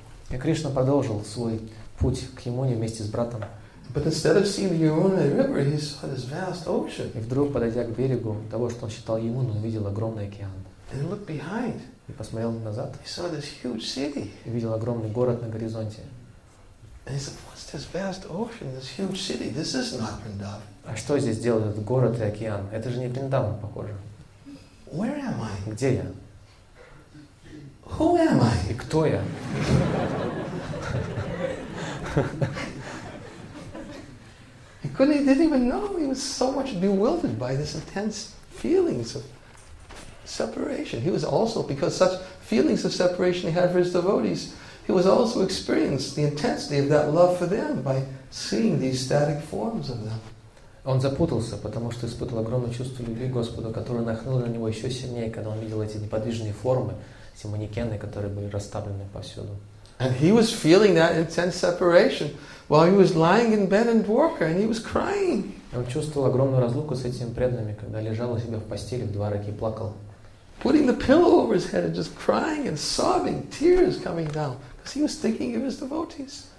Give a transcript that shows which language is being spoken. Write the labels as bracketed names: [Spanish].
[Russian] И Кришна продолжил свой путь к Ямуне вместе с братом. [English] But instead of seeing the Yamuna River, he saw this vast ocean. [Russian] И вдруг, подойдя к берегу того, что он считал Ямуну, он увидел огромный океан. [English] And looked behind. [Russian] И посмотрел назад. [English] He saw this huge city. [Russian] И видел огромный город на горизонте. [English] And he said, "What's this vast ocean? This huge city? This is not Vrindavan." [Russian] А что здесь делает этот город и океан? Это же не Вриндаван, похоже. [English] Where am I? [Russian] Где я? [English] Who am I? [Russian] И кто я? [English] He couldn't. He didn't even know. He was so much bewildered by this intense feelings of separation. He was also, because such feelings of separation he had for his devotees, he was also experienced the intensity of that love for them by seeing these static forms of them. [Russian] Он запутался, потому что испытывал огромное чувство любви к Господу, которое нахлынуло на него еще сильнее, когда он видел эти неподвижные формы, эти манекены, которые были расставлены повсюду. [English] And he was feeling that intense separation while he was lying in bed in Dwarka, and he was crying. [Russian] Он чувствовал огромную разлуку с этими преданными, когда лежал у себя в постели в Двараке и плакал. [English] Putting the pillow over his head and just crying and sobbing, tears coming down, because he was thinking of his devotees.